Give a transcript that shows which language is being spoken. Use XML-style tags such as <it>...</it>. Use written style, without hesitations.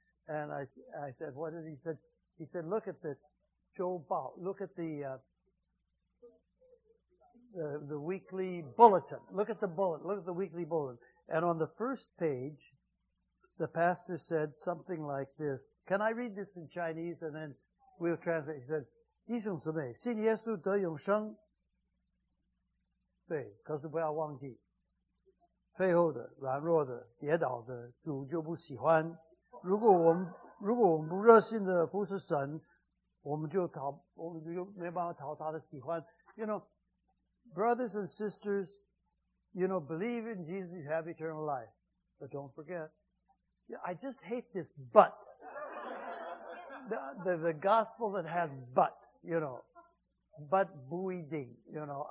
<en>And I said, what did he said? He said, look at the Joe Bao, look at the weekly bulletin. Look at the weekly bulletin. And on the first page, the pastor said something like this. Can I read this in Chinese and then we'll translate? He said,</en> <zh>弟兄姊妹, 信耶稣得永生, 对,可是不要忘记, 背后的,软弱的,跌倒的, 主就不喜欢, 如果我们不热心的服侍神, 我们就没办法讨他的喜欢.</zh> <en>You know, brothers and sisters, you know, believe in Jesus, you have eternal life. But don't forget. Yeah, I just hate this but. the gospel that has but, you know. But bui ding, you know.</en>